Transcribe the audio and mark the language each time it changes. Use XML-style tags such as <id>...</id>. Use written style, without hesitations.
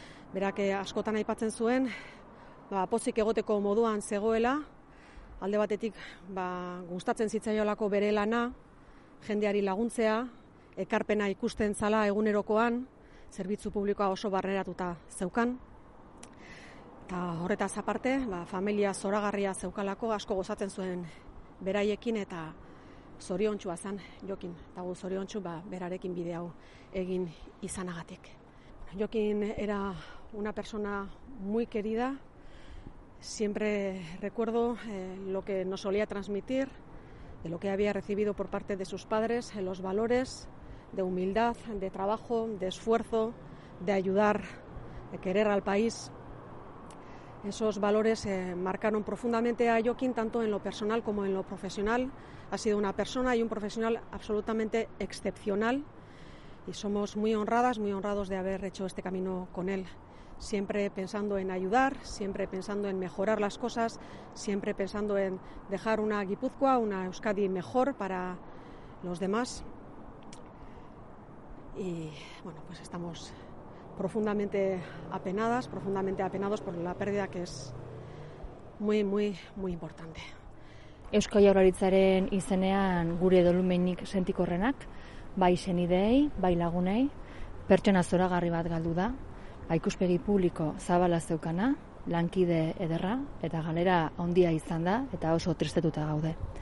<eu>Berak askotan aipatzen zuen pozik egoteko moduan zegoela, alde batetik gustatzen zitzaiolako bere lana, jendeari laguntzea, ekarpena ikusten zala egunerokoan, zerbitzu publikoa oso barreratuta zeukan. Eta horretaz aparte, familia zoragarria zeukalako asko gozatzen zuen beraiekin eta zoriontsua zan Jokin. Eta gu zoriontsu berarekin bide hau egin izanagatik.</eu> <es>Jokin era una persona muy querida. Siempre recuerdo lo que nos solía transmitir, de lo que había recibido por parte de sus padres, los valores de humildad, de trabajo, de esfuerzo, de ayudar, de querer al país. Esos valores marcaron profundamente a Jokin, tanto en lo personal como en lo profesional. Ha sido una persona y un profesional absolutamente excepcional y somos muy honradas, muy honrados de haber hecho este camino con él. Siempre pensando en ayudar, siempre pensando en mejorar las cosas, siempre pensando en dejar una Gipuzkoa, una Euskadi mejor para los demás. Y bueno, pues estamos profundamente apenadas, profundamente apenados por la pérdida que es muy, muy, muy importante.</es> <eu>Eusko Jaurlaritzaren izenean gure dolumenik sentikorrenak, bai senideei, bai lagunei, pertsona zoragarri bat galdu da, bai ikuspegi publiko zabala zeukana, lankide ederra, eta galera ondia izan da, eta oso tristetuta gaude.</eu>